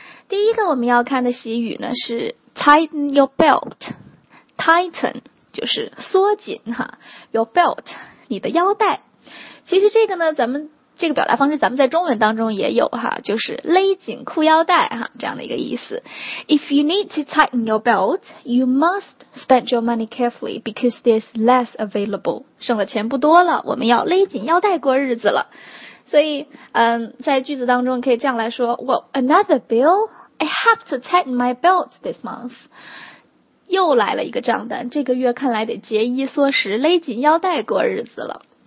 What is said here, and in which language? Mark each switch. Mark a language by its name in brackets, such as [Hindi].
[Chinese] 第一个我们要看的习语呢是 [English] Tighten your belt. [Chinese] Tighten 就是缩紧哈 ， [English] your belt [Chinese] 你的腰带。其实这个呢，咱们这个表达方式咱们在中文当中也有哈，就是勒紧裤腰带哈，这样的一个意思。 [English] If you need to tighten your belt, you must spend your money carefully because there's less available. [Chinese] 剩的钱不多了，我们要勒紧腰带过日子了。所以，在句子当中可以这样来说 ： [English] Well, another bill. I have to tighten my belt this month. [Chinese] 又来了一个账单，这个月看来得节衣缩食，勒紧腰带过日子了。